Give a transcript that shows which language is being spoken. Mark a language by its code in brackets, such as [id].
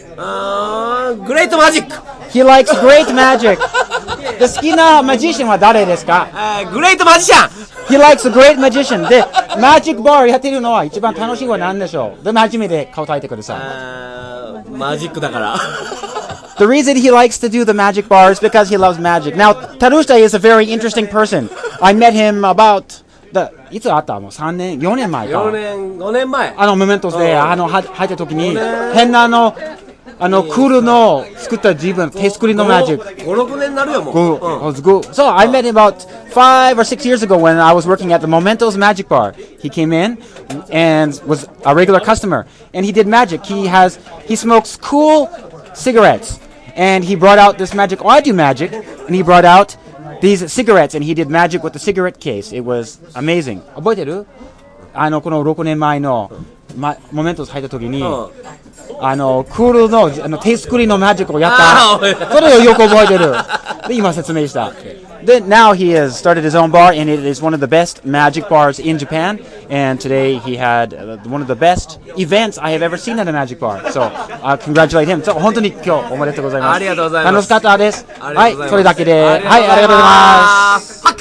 [en] Great magic. He likes great magic. [ja] The 好きなマジシャンは誰ですか? [en] Great magician. He likes great magician. The magic bar [ja] やってるのは一番楽しいは何でしょう? で、真面目で答えてください。マジックだから。 [en] The reason he likes to do the magic bar is because he loves magic. Now, Terushita is a very interesting person. I met him about... [ja] いつ会ったもう3年、4年前か。 4年前。あの、メメントスで、入った時に、変なあの、クールの作った自分、手作りのマジック。 5、6年になるよ、もう。 [en] It's good. So, I met him about 5 or 6 years ago when I was working at the Momentos Magic Bar. He came in and was a regular customer. And he did magic. He smokes cool cigarettes. And he brought out this magic. Oh, I do magic. And he brought out... These cigarettes, and he did magic with the cigarette case. It was amazing. [ja] 覚えてる? あの、この6年前の、モメントス入った時に、あの、クールの、あの、手作りのマジックをやった。それをよく覚えてる。で、今説明した。 [en] Then now he has started his own bar, and it is one of the best magic bars in Japan. And today he had one of the best events I have ever seen at a magic bar. So, I congratulate him. So, [ja] 本当に今日おめでとうございます。ありがとうございます。楽しかったです。ありがとうございます。はい、それだけで。はい、ありがとうございます。